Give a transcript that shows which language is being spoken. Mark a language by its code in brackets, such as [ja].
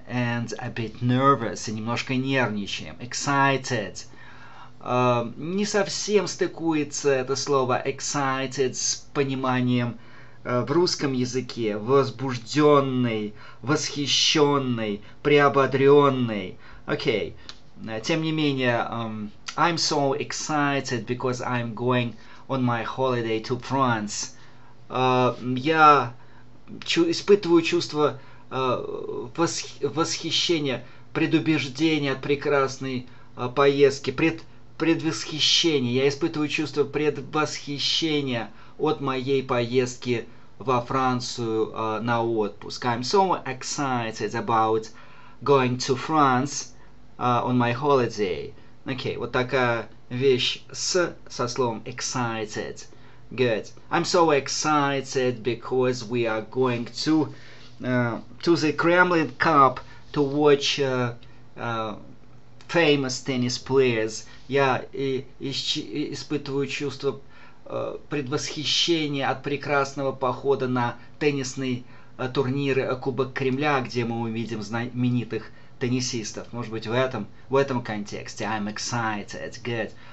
[en] And a bit nervous. [ru] И немножко нервничаем. [en] Excited. [ru] Не совсем стыкуется это слово excited с пониманием в русском языке. Возбужденный, восхищенный, приободренный. Окей. Тем не менее, [en] I'm so excited because I'm going on my holiday to France. [ru] Я испытываю чувство восхищения, предубеждения от прекрасной поездки, предвосхищения. Я испытываю чувство предвосхищения от моей поездки во Францию на отпуск. [en] I'm so excited about going to France on my holiday. [ru] Окей, вот такая вещь со словом excited. Good. [en] I'm so excited because we are going to the Kremlin Cup to watch famous tennis players. [ru] Я испытываю чувство предвосхищения от прекрасного похода на теннисные турниры Кубок Кремля, где мы увидим знаменитых теннисистов. Может быть, в этом контексте. [en] I'm excited. Good.